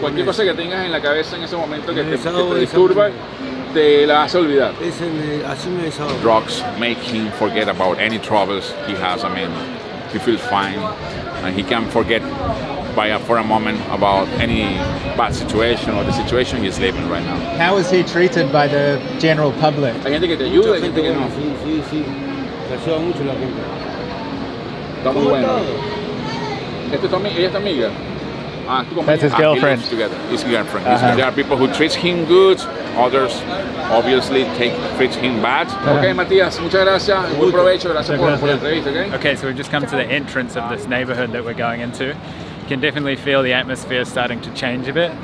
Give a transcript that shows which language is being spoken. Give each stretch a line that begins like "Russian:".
Spanish: Cualquier cosa que tengas en la cabeza en ese momento que te disturba, te la hace olvidar.
English: Drugs make him forget about any troubles he has. I mean, he feels fine and he can forget for a moment about any bad situation or the situation he's living right now. How is he treated by the general public?
Spanish: Hay gente que te ayuda, hay gente que no. Sí, sí, sí. Te ayuda mucho la gente. Está muy bueno. ¿Esta es tu amiga? ¿Ella es tu amiga?
English: That's his girlfriend. His girlfriend. Uh-huh. There are people who treat him good, others obviously treat him bad.
Spanish: Uh-huh. Okay, Matias, muchas gracias. Buen provecho. Gracias por la entrevista, okay?
English: Okay, so we've just come to the entrance of this neighborhood that we're going into. You can definitely feel the atmosphere starting to change a bit.